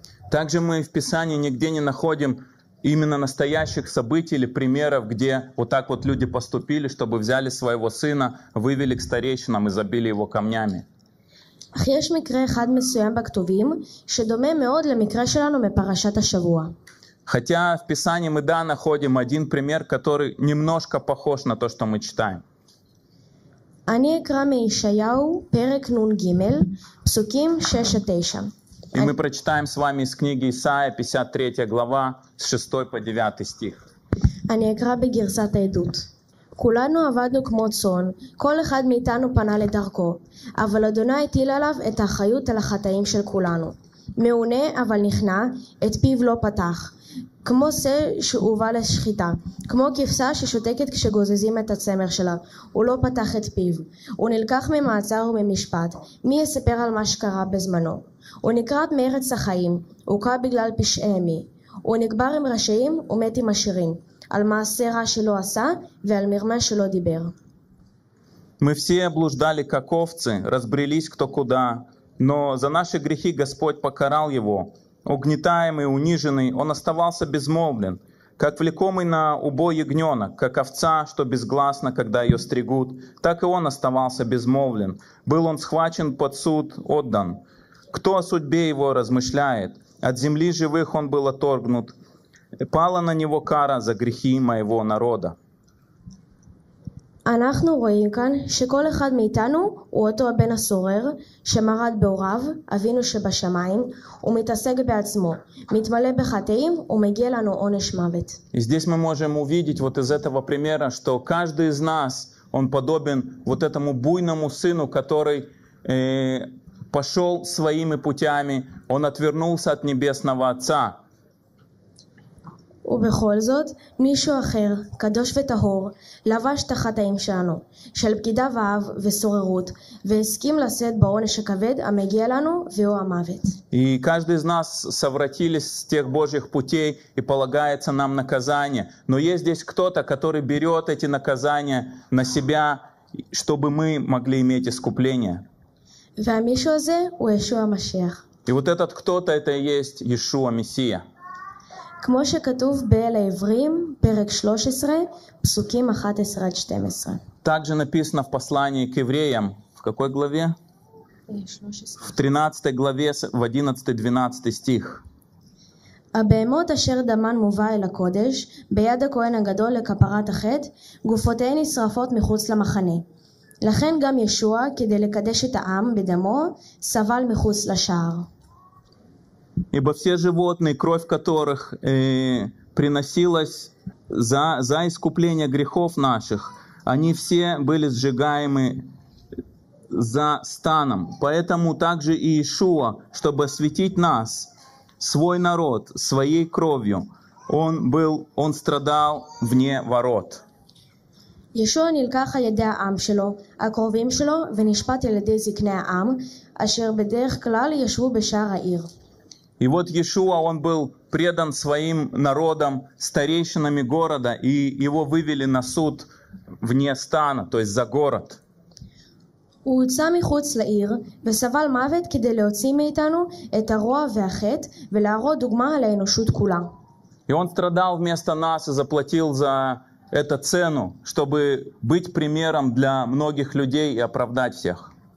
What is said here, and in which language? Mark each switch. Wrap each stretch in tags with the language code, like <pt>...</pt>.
<ru>Также мы в Писании нигде не находим именно настоящих событий или примеров, где вот так вот люди поступили, чтобы взяли своего сына, вывели к старейшинам и забили его камнями.</ru> <he>אך יש מקרה אחד מסוים בכתובים שדומה מאוד למקרה שלנו מפרשת השבוע.</he> <ru>Хотя в Писании мы да находим один пример, который немножко похож на то, что мы читаем.</ru> <he>אני אקרא מישעיהו פרק נ"ג, פסוקים 6-9.</he> <ru>И мы прочитаем с вами из книги Исаия 53 глава с 6 по 9 стих.</ru> <he>אני אקרא בגרסת העדות. כולנו עבדנו כמו צאן, כל אחד מאיתנו פנה לדרכו, אבל אדוני הטיל עליו את האחריות על החטאים של כולנו. מעונה אבל נכנע, את פיו לא פתח, כמו שה שהובא לשחיטה, כמו כבשה ששותקת כשגוזזים את הצמר שלה, הוא לא פתח את פיו. הוא נלקח ממעצר וממשפט, מי יספר על מה שקרה בזמנו? הוא נקרט מארץ החיים, הוכה בגלל פשעי עמי. הוא נקבר עם רשעים ומת עם עשירים. על מעשה רע שלא עשה ועל מרמה שלא דיבר.</he> <ru>Мы все блуждали как овцы, разбрелись кто куда, но за наши грехи Господь покарал его. Угнетаемый, униженный, он оставался безмолвен, как влекомый на убой ягненок, как овца, что безгласно, когда ее стригут, так и он оставался безмолвен. Был он схвачен под суд, отдан. Кто о судьбе его размышляет? От земли живых он был отторгнут. Пала на него кара за грехи моего народа.</ru> <he>אנחנו רואים כאן שכל אחד מאיתנו הוא אותו הבן הסורר שמרד בהוריו, אבינו שבשמיים, ומתעסק בעצמו, מתמלא בחטאים ומגיע לנו עונש מוות.</he> <ru>И здесь мы можем увидеть вот из этого примера, что каждый из нас, он подобен вот этому буйному сыну, который пошел своими путями, он отвернулся от небесного отца.</ru> <he>ובכל זאת, מישהו אחר, קדוש וטהור, לבש את החטאים שלנו, של בגידה ואהב וסוררות, והסכים לשאת בעונש הכבד המגיע לנו, והוא המוות.</he> <ru>И каждый из нас совратились с тех Божьих путей и полагается нам наказание. Но есть здесь кто-то, который берет эти наказания на себя, чтобы мы могли иметь искупление.</ru> <he>והמישהו הזה הוא ישוע המשיח.</he> <ru>И вот этот кто-то, это и есть Иешуа, Мессия.</ru> <he>כמו שכתוב באל העברים, פרק 13, פסוקים 11 עד 12.</he> <ru>Также написано в послании к евреям, в какой главе? В 13 главе, в 11-12 стих.</ru> <he>הבהמות אשר דמן מובא אל הקודש, ביד הכהן הגדול לכפרת החטא, גופותיהן נשרפות מחוץ למחנה. לכן גם ישוע, כדי לקדש את העם בדמו, סבל מחוץ לשער.</he> <ru>Ибо все животные, кровь которых приносилась за искупление грехов наших, они все были сжигаемы за станом. Поэтому также и Иешуа, чтобы осветить нас, свой народ, своей кровью, он страдал вне ворот.</ru> <he>Иешуа нилках ידי העם שלו, הקרובים שלו, ונשפט על ידי זקני העם, אשר בדרך כלל ישבו בשער העיר.</he> <ru>И вот Иешуа, он был предан своим народом, старейшинами города, и его вывели на суд вне стана, то есть за город.</ru> <he>הוא הוצא מחוץ לעיר וסבל מוות כדי להוציא מאיתנו את הרוע והחטא ולהראות דוגמה על האנושות כולה.</he> <ru>И он страдал вместо нас и заплатил за эту цену, чтобы быть примером для многих людей и оправдать всех.</ru>